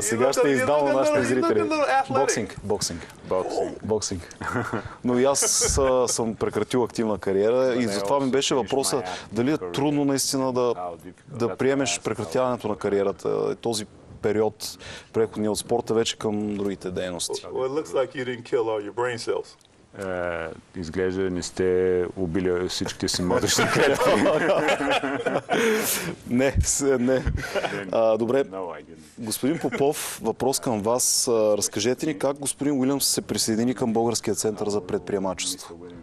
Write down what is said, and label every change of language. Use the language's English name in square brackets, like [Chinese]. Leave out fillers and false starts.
[Bulgarian] сега ще издам на нашите зрители. Боксинг. Но и аз съм прекратил активна кариера и затова ми беше въпроса дали е трудно наистина да приемеш прекратяването на кариерата, този период, преходния от спорта вече към другите дейности. [English] Well, it looks like you didn't kill all your brain cells. [Bulgarian] Изглежда, не сте убили всичките си мозъчни клетки. Не. Добре, господин Попов, въпрос към вас. Разкажете ни как господин Уилямс се присъедини към Българския център за предприемачество.